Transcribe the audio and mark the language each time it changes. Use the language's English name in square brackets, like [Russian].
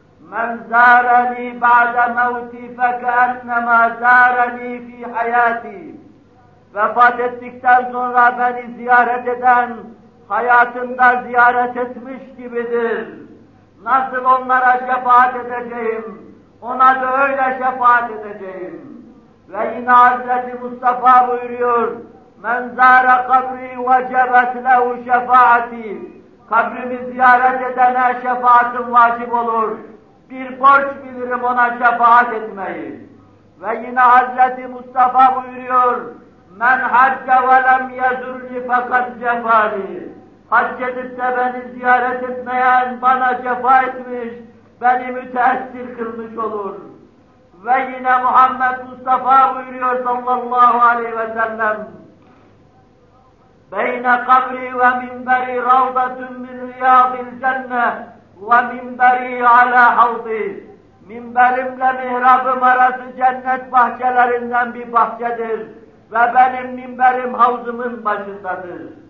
[Arabic] Men zâreni ba'de mevti fekeennemâ zâreni fî hayâti. [Turkish] Vefat ettikten sonra beni ziyaret eden hayatında ziyaret etmiş gibidir. Nasıl onlara şefaat edeceğim? Ona da öyle şefaat edeceğim. Ve yine Hazreti Mustafa buyuruyor, [Arabic] مَنْ زَارَ قَبْرِي وَجَبَتْ لَهُ شَفَاعَتِي. [Turkish] Kabrimi ziyaret edene şefaatim vacip olur. Bir borç bilirim ona şefaat etmeyi. Ve yine Hazreti Mustafa buyuruyor, [Arabic] مَنْ حَجَّ وَلَمْ يَزُرْنِي فَقَدْ جَفَانِي. [Turkish] Hac edip de beni ziyaret etmeyen bana cefa etmiş, beni müteessir kılmış olur. Ve yine Muhammed Mustafa buyuruyor sallallahu aleyhi ve sellem, [Arabic] بين قبري ومنبري روضة من رياض الجنة ومنبري على حوضي [Turkish] منبرimle mihrabım arası cennet bahçelerinden bir bahçedir ve benim minberim havzımın başındadır.